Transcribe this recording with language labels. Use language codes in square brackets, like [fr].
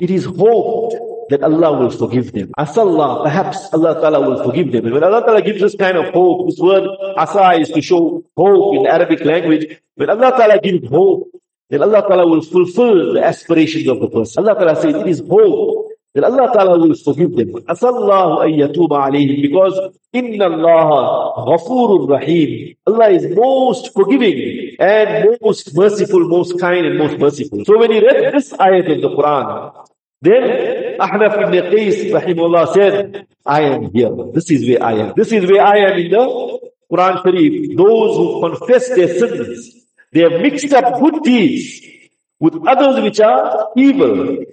[en] It is hoped that Allah will forgive them. [ar] عَسَى اللَّهُ, [en] perhaps Allah Ta'ala will forgive them. And when Allah Ta'ala gives this kind of hope, this word asa is to show hope in the Arabic language. When Allah Ta'ala gives hope, then Allah Ta'ala will fulfill the aspirations of the person. Allah Ta'ala says, it is hope that Allah Ta'ala will forgive them. [ar] عَسَى اللَّهُ أَن يَتُوبَ عَلَيْهِمْ. [en] Because [ar] إِنَّ اللَّهَ غَفُورٌ رَحِيمٌ. [en] Allah is most forgiving and most merciful, most kind and most merciful. So when he read this ayat in the Quran, then Ahnaf ibn Qais rahimullah said, I am here. This is where I am. This is where I am in the Quran Sharif. Those who confess their sins, they have mixed up good deeds with others which are evil.